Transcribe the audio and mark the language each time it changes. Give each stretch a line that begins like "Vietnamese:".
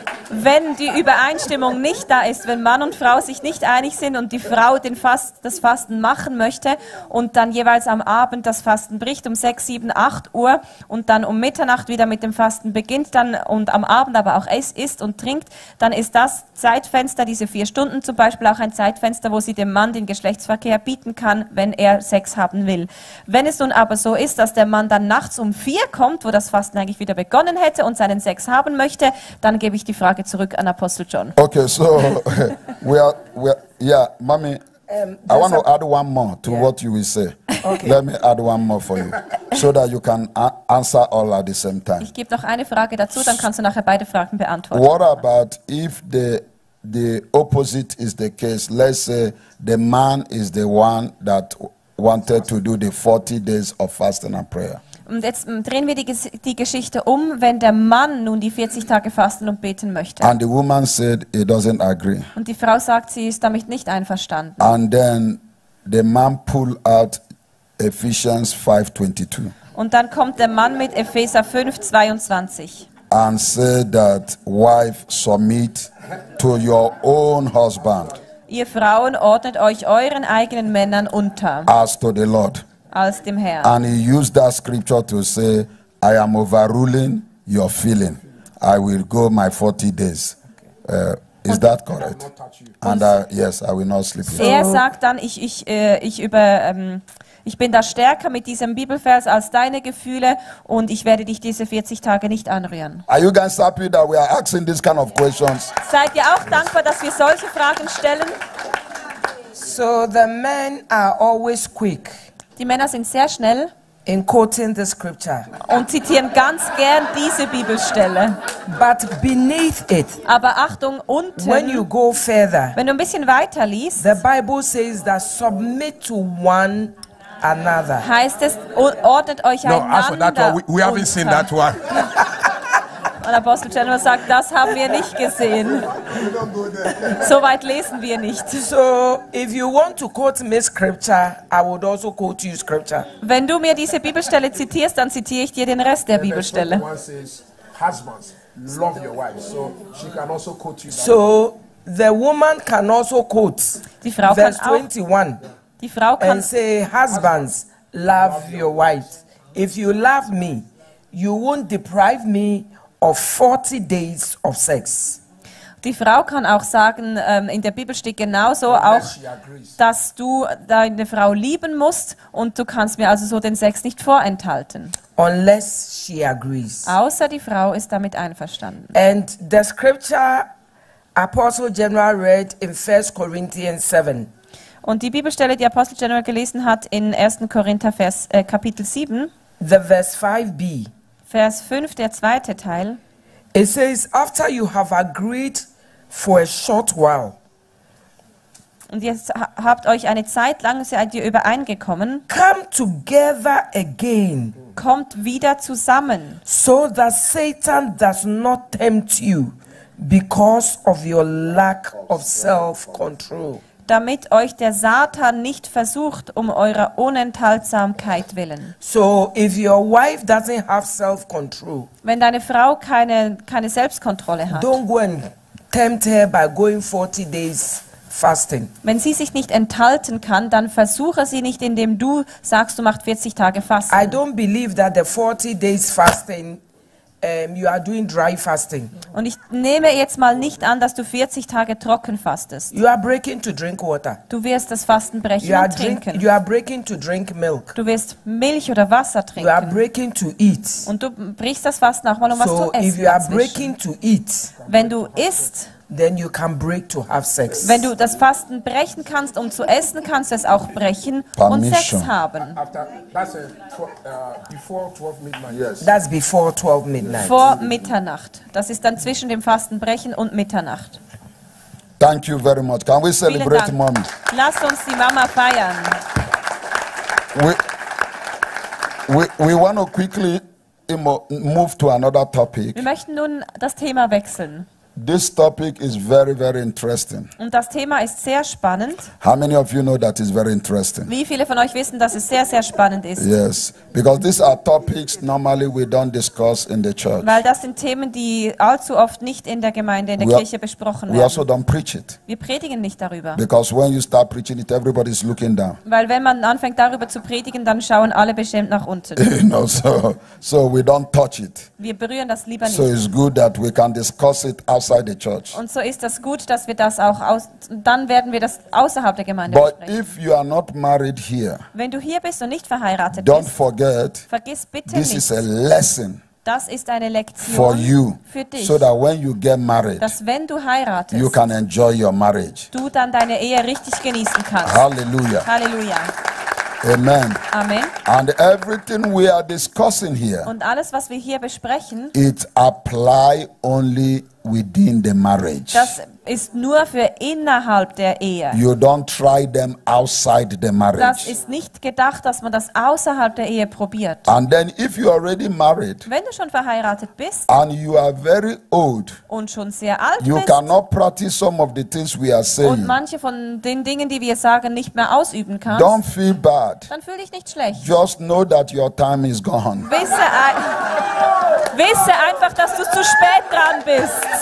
German: Wenn die Übereinstimmung nicht da ist, wenn Mann und Frau sich nicht einig sind und die Frau das Fasten machen möchte und dann jeweils am Abend das Fasten bricht um 6, 7, 8 Uhr und dann um Mitternacht wieder mit dem Fasten beginnt dann und am Abend aber auch isst und trinkt, dann ist das Zeitfenster, diese 4 Stunden zum Beispiel, auch ein Zeitfenster, wo sie dem Mann den Geschlechtsverkehr bieten kann, wenn er Sex haben will. Wenn es nun aber so ist, dass der Mann dann nachts um 4 kommt, wo das Fasten eigentlich wieder begonnen hätte und seinen Sex haben möchte, dann gebe ich die Frage zurück an Apostel John.
English: Okay, so we are, Mommy, I want to add one more to what you will say. Okay. Let me add one more for you, so that you can answer all at the same time.
German: Ich gebe noch eine Frage dazu, dann kannst du nachher beide Fragen beantworten.
English: What about if the opposite is the case? Let's say the man is the one that wanted to do the 40 days of fasting and prayer.
German: Und jetzt drehen wir die Geschichte um, wenn der Mann nun die 40 Tage fasten und beten möchte.
English: And the woman said he doesn't agree.
German: Und die Frau sagt, sie ist damit nicht einverstanden.
English: And then the man pulled out Ephesians 5:22.
German: Und dann kommt der Mann mit Epheser 5:22.
English: And said that wife submit to your own husband.
German: Ihr Frauen ordnet euch euren eigenen Männern unter.
English: As to the Lord.
German: Als dem Herrn.
English: And he used that scripture to say, I am overruling your feeling. I will go my 40 days. Okay. Is that correct? And yes, I will not sleep.
German: So er sagt dann, ich bin da stärker mit diesem Bibelvers als deine Gefühle und ich werde dich diese 40 Tage nicht anrühren.
English: Are you guys happy that we are asking these kind of questions?
German: Seid ihr auch dankbar, dass wir solche Fragen stellen?
English: So the men are always quick.
German: Die Männer sind sehr schnell
English: in quoting the scripture.
German: Und zitieren ganz gern diese Bibelstelle.
English: But beneath it,
German: aber Achtung, unten,
English: when you go further,
German: wenn du ein bisschen weiter liest,
English: the Bible says that submit to one another.
German: Heißt es, ordnet euch einander unter.
English: No, after that one, we haven't seen that one.
German: Und Apostel General sagt, das haben wir nicht gesehen. So weit lesen wir nicht.
English: So, if you want to quote me scripture, I would also quote you scripture.
German: Wenn du mir diese Bibelstelle zitierst, dann zitiere ich dir den Rest der Bibelstelle.
English: Husbands, love your wife. So, she can also quote you. So, the woman can also quote
German: die Frau
English: verse
German: kann
English: 21.
German: Die Frau kann
English: and say, husbands, love your wife. If you love me, you won't deprive me of 40 days of sex.
German: Die Frau kann auch sagen, in der Bibel steht genauso auch, dass du deine Frau lieben musst und du kannst mir also so den Sex nicht vorenthalten.
English: Unless she agrees.
German: Außer die Frau ist damit einverstanden.
English: And the scripture Apostle General read in 1 Corinthians 7.
German: Und die Bibelstelle, die Apostel General gelesen hat, in 1. Korinther Vers, Kapitel 7.
English: The verse 5b.
German: Vers 5, der zweite Teil.
English: It says, after you have agreed for a short while.
German: Und jetzt habt euch eine Zeit lang seid ihr übereingekommen.
English: Come together again.
German: Kommt wieder zusammen.
English: So that Satan does not tempt you because of your lack of self-control.
German: Damit euch der Satan nicht versucht um eurer Unenthaltsamkeit willen.
English: So if your wife doesn't have self-control,
German: wenn deine Frau keine Selbstkontrolle hat,
English: don't go and tempt her by going 40 days fasting.
German: Wenn sie sich nicht enthalten kann, dann versuche sie nicht, indem du sagst, du machst 40 Tage Fasten.
English: I don't believe that the 40 days fasting you are doing dry fasting.
German: Und ich nehme jetzt mal nicht an, dass du 40 Tage trocken fastest.
English: You are breaking to drink water.
German: Du wirst das Fasten brechen und trinken.
English: You are breaking to drink milk.
German: Du wirst Milch oder Wasser trinken.
English: You are breaking to eat.
German: Und du brichst das Fasten auch mal, um was zu essen.
English: So if you are breaking to eat,
German: wenn du isst,
English: then you can break to have sex.
German: Wenn du das Fasten brechen kannst, um zu essen, kannst du es auch brechen
English: Permission.
German: Und Sex haben.
English: That's before 12 midnight.
German: Vor Mitternacht. Das ist dann zwischen dem Fastenbrechen und Mitternacht.
English: Thank you very much. Can we celebrate Mom?
German: Lass uns die Mama feiern.
English: We want to quickly move to another topic.
German: Wir möchten nun das Thema wechseln.
English: This topic is very, very interesting.
German: Und das Thema ist sehr spannend.
English: How many of you know that is very interesting?
German: Wie viele von euch wissen, dass es sehr, sehr spannend ist?
English: Yes, because these are topics normally we don't discuss in the church.
German: Weil das sind Themen, die allzu oft nicht in der Gemeinde, in der Kirche besprochen werden.
English: We also don't preach it.
German: Wir predigen nicht darüber.
English: Because when you start preaching it, everybody is looking down.
German: Weil wenn man anfängt darüber zu predigen, dann schauen alle beschämt nach unten.
English: No, so we don't touch it.
German: Wir berühren das lieber nicht.
English: So it's good that we can discuss it as the church.
German: Und so ist das gut, dass wir das auch aus, dann werden wir das außerhalb der Gemeinde
English: But
German: besprechen.
English: If you are not married here,
German: wenn du hier bist und nicht verheiratet
English: don't
German: bist,
English: forget,
German: vergiss bitte
English: this
German: nicht,
English: is a lesson
German: das ist eine Lektion
English: for you,
German: für dich,
English: so that when you get married,
German: dass wenn du heiratest,
English: you can enjoy your marriage.
German: Du dann deine Ehe richtig genießen kannst. Halleluja. Halleluja. Amen. Amen.
English: And everything we are discussing here,
German: und alles, was wir hier besprechen,
English: it apply only within the marriage.
German: Das ist nur für innerhalb der Ehe.
English: You don't try them outside the marriage.
German: Das ist nicht gedacht, dass man das außerhalb der Ehe probiert.
English: And then if you already married,
German: wenn du schon verheiratet bist,
English: and you are very old,
German: und schon sehr alt
English: you
German: bist,
English: cannot practice some of the things we are saying,
German: und manche von den Dingen, die wir sagen, nicht mehr ausüben kannst,
English: don't feel bad.
German: Dann fühl dich nicht schlecht.
English: Just know that your time is gone.
German: Wisse einfach, dass du zu spät dran bist.